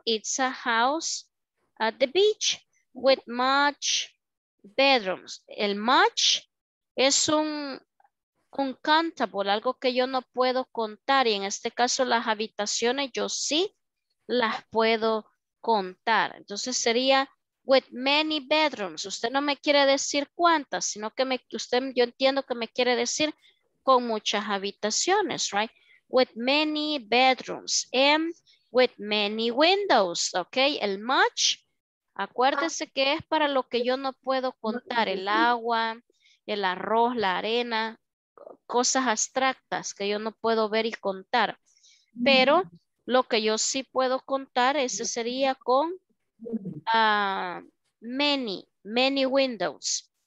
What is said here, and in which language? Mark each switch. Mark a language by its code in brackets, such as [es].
[en] It's a house at the beach with much. Bedrooms. [es] El much es un countable, algo que yo no puedo contar. Y en este caso las habitaciones yo sí las puedo contar. Entonces sería [en] with many bedrooms. [es] Usted no me quiere decir cuántas, sino que yo entiendo que me quiere decir con muchas habitaciones, right? [en] With many bedrooms and with many windows, okay? [es] El much. Acuérdese que es para lo que yo no puedo contar, el agua, el arroz, la arena, cosas abstractas que yo no puedo ver y contar. Pero lo que yo sí puedo contar, ese sería con [en] many, many windows.